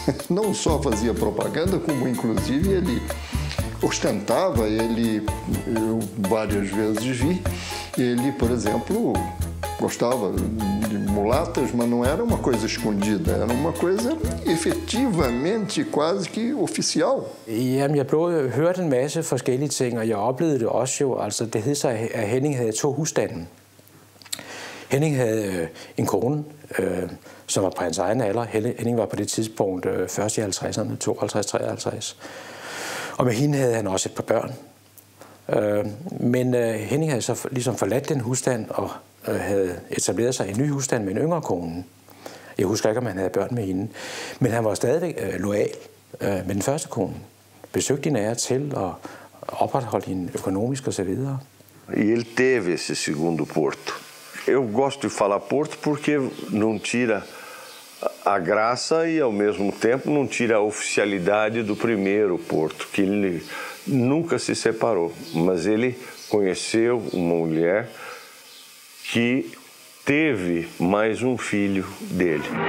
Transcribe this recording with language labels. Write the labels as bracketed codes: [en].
[pt] Não só fazia propaganda, como inclusive ele ostentava, eu várias vezes vi, ele, por exemplo, gostava de mulatas, mas não era uma coisa escondida, era uma coisa efetivamente quase que oficial. [da] Jamen, jeg hørte en masse forskellige ting, og jeg oplevede det også jo, altså det hed sig, at Henning havde to husstanden. Henning havde en kone, som var på hans egen alder. Henning var på det tidspunkt først i 50'erne, 52-53. Og med hende havde han også et par børn. Men Henning havde så ligesom forladt den husstand og havde etableret sig i en ny husstand med en yngre kone. Jeg husker ikke, om han havde børn med hende. Men han var stadig lojal med den første kone. Besøgte hende af til og opretholdt hende økonomisk osv. [pt] Ele teve esse segundo porto. Eu gosto de falar porto porque não tira a graça e, ao mesmo tempo, não tira a oficialidade do primeiro porto, que ele nunca se separou. Mas ele conheceu uma mulher que teve mais um filho dele.